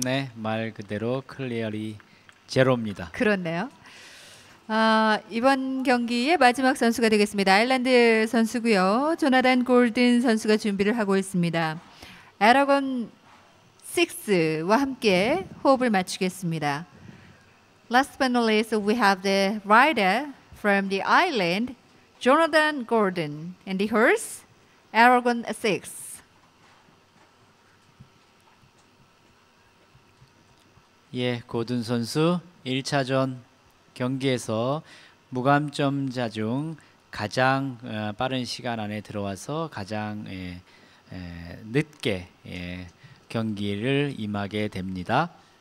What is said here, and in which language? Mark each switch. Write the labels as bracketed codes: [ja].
[ko] 네, 말 그대로 클리어리 제로입니다. 그렇네요. 이번 경기의 마지막 선수가 되겠습니다. 아일랜드 선수고요. 조나단 골든 선수가 준비를 하고 있습니다. 에라곤 6와 함께 호흡을 맞추겠습니다. [en] Last but not least, we have the rider from the island, Jonathan Gordon, and the horse, Eragon 6. [ko] Yeah, 고든 선수 1차전 경기에서 무감점자 중 가장 빠른 시간 안에 들어와서 가장 늦게 경기를 임하게 됩니다.